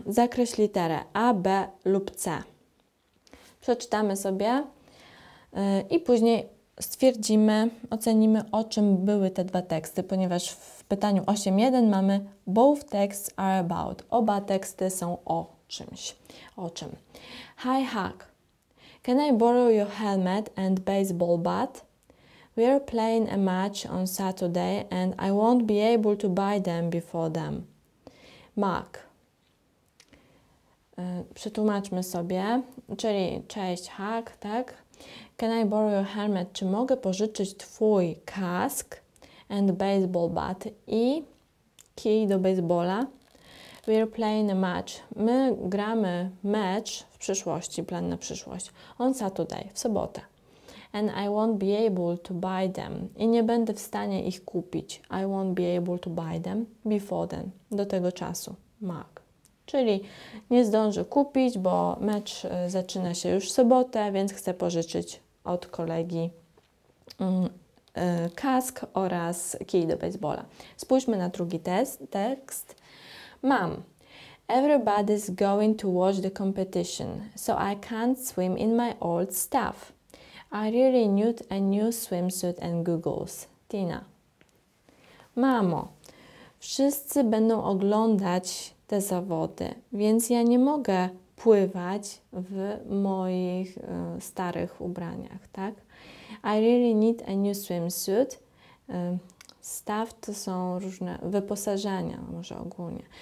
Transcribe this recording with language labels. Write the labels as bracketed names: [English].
[Polish] Zakreśl literę A, B lub C. Przeczytamy sobie i później stwierdzimy, ocenimy, o czym były te dwa teksty, ponieważ w pytaniu 8.1 mamy [English] both texts are about. [Polish] Oba teksty są o czymś. O czym? [English] Hi, Huck. Can I borrow your helmet and baseball bat? We are playing a match on Saturday and I won't be able to buy them before them. Mark. [Polish] Przetłumaczmy sobie, czyli cześć, Huck, tak? [English] Can I borrow your helmet? [Polish] Czy mogę pożyczyć twój kask [English] and baseball bat [Polish] i kij do baseballa? [English] We are playing a match. [Polish] My gramy mecz w przyszłości, plan na przyszłość. [English] On Saturday, [Polish] w sobotę. [English] and I won't be able to buy them. [Polish] I nie będę w stanie ich kupić. [English] I won't be able to buy them before then. [Polish] Do tego czasu. Mark. Czyli nie zdążę kupić, bo mecz zaczyna się już w sobotę, więc chcę pożyczyć od kolegi kask oraz kij do baseballa. Spójrzmy na drugi tekst. Mam. [English] Everybody's going to watch the competition, so I can't swim in my old stuff. I really need a new swimsuit and goggles. [Polish] Tina. Mamo. Wszyscy będą oglądać te zawody, więc ja nie mogę pływać w moich starych ubraniach, tak? [English] I really need a new swimsuit. [Polish] Staff to są różne wyposażenia, może ogólnie.